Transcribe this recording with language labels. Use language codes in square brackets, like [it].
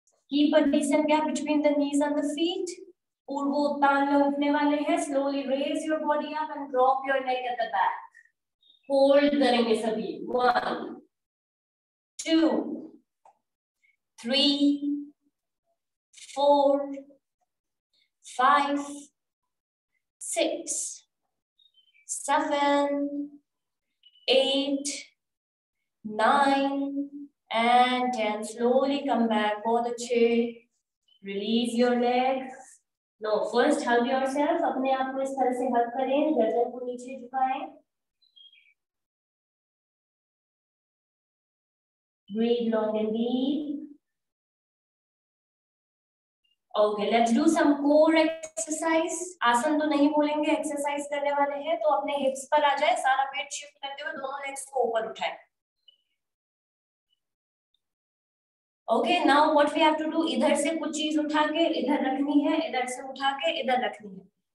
[en] keep a decent gap between the knees and the feet, [hi] पूर्वोत्तान में उठने वाले हैं, [en] slowly raise your body up and drop your neck at the back, [hi] hold करेंगे सभी, [en] 1, 2, 3, 4, 5, 6, 7, 8, 9, and 10. Slowly come back for the chair. Release your legs. No, first hug yourself. [hi] अपने आप को इस तरह से hug करें, गर्दन को नीचे झुकाएं. [en] Breathe long and deep. Okay, let's do some core exercise. [hi] आसन तो नहीं बोलेंगे, exercise करने वाले हैं, तो अपने hips पर आ जाए, सारा weight shift करते हुए दोनों legs को ऊपर उठाएं. [en] Okay, now what we have to do, [hi] इधर से कुछ चीज उठा के इधर रखनी है, इधर से उठा के इधर रखनी है.